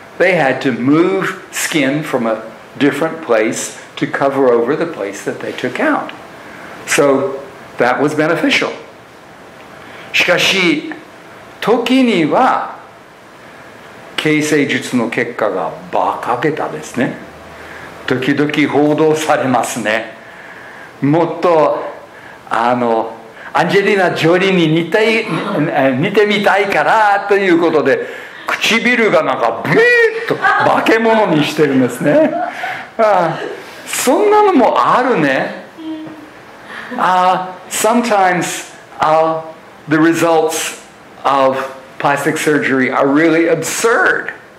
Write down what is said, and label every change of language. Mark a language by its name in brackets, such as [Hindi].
[English] They had to move skin from a different place to cover over the place that they took out. So that was beneficial. [Japanese] しかし、時には形成術の結果が馬鹿げたですね。時々報道されますね。もっとアンジェリーナ・ジョリーに似てみたいからということで、唇がなんかブイッと化け物にしてるんですね。そんなのもあるね。 [English] Sometimes the results of plastic surgery are really absurd.